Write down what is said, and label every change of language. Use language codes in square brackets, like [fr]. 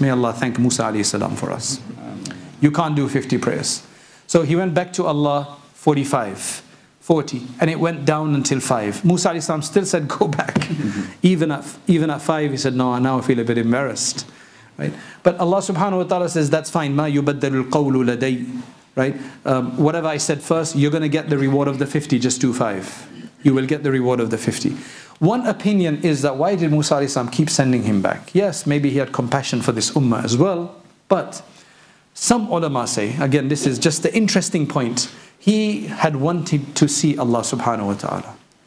[en] May Allah thank Musa alayhi salam for us. You can't do 50 prayers. So he went back to Allah 45, 40, and it went down until 5. Musa alayhi salam still said, go back. even at 5, he said, no, now I feel a bit embarrassed. Right? But Allah subhanahu wa ta'ala says, that's fine. [ar] مَا يُبَدَّلُ الْقَوْلُ لَدَيْ [en] Right? Whatever I said first, you're going to get the reward of the 50, just do 5. You will get the reward of the 50. One opinion is that why did Musa alayhi salam keep sending him back? Yes, maybe he had compassion for this ummah as well. But some ulama say, again, this is just the interesting point, he had wanted to see Allah subhanahu wa ta'ala.